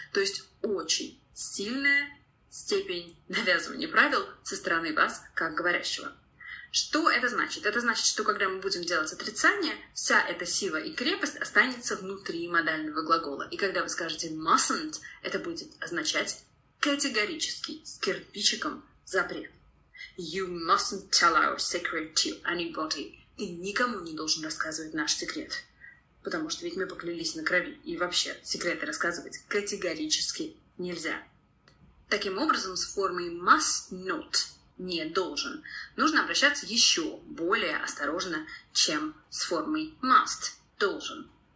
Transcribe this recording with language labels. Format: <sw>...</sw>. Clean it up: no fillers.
<ru>То есть очень сильная степень навязывания правил со стороны вас, как говорящего. Что это значит? Это значит, что когда мы будем делать отрицание, вся эта сила и крепость останется внутри модального глагола. И когда вы скажете mustn't, это будет означать категорически, с кирпичиком, запрет.</ru> <en>You mustn't tell our secret to anybody.</en> <ru>Ты никому не должен рассказывать наш секрет. Потому что ведь мы поклялись на крови, и вообще секреты рассказывать категорически нельзя. Таким образом, с формой must not, не должен, нужно обращаться еще более осторожно, чем с формой must, должен.</ru>